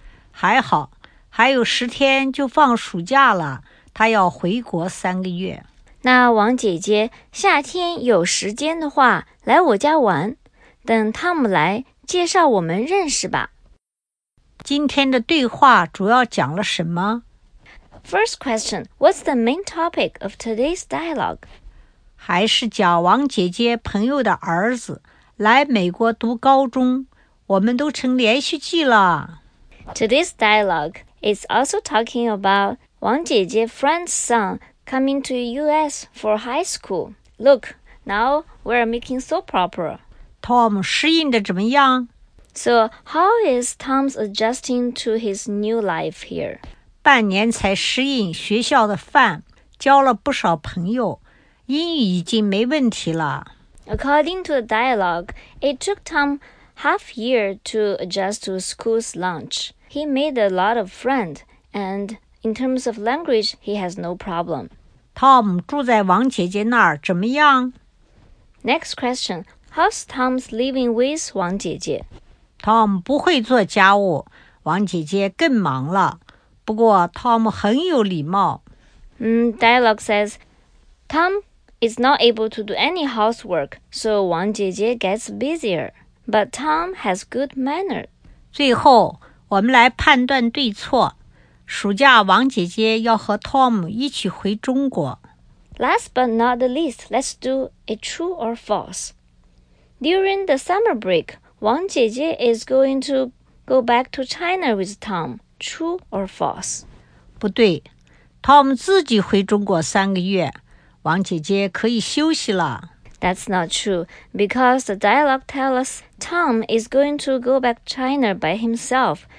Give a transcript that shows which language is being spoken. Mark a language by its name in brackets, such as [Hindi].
[Chinese] 还好，还有10天就放暑假了，他要回国3个月。那王姐姐，夏天有时间的话来我家玩，等汤姆来介绍我们认识吧。今天的对话主要讲了什么？ [English] First question, what's the main topic of today's dialogue? [Chinese] 还是讲王姐姐朋友的儿子来美国读高中，我们都成连续剧了。 [English] Today's dialogue is also talking about 王姐姐 friend's son coming to US for high school. Look, now we're making soap opera. [Chinese] Tom 适应的怎么样？ [English] So, how is Tom's adjusting to his new life here? [Chinese] 半年才适应学校的饭，交了不少朋友，英语已经没问题了。 [English] According to the dialogue, it took Tom half a year to adjust to school's lunch. He made a lot of friends, and in terms of language, he has no problem. [Chinese] Tom 住在王姐姐那儿怎么样？ [English] Next question, how's Tom's living with 王姐姐？ [Chinese] Tom 不会做家务，王姐姐更忙了。不过 Tom 很有礼貌。 [English] Dialogue says, Tom is not able to do any housework, so 王姐姐 gets busier. But Tom has good manner. [Chinese] 最后，我们来判断对错。暑假王姐姐要和 Tom 一起回中国。 [English] Last but not the least, let's do a true or false. During the summer break, 王姐姐 is going to go back to China with Tom. True or false? [Chinese] 不对， Tom 自己回中国3个月，王姐姐可以休息了。 [English] That's not true, because the dialogue tells us Tom is going to go back to China by himself.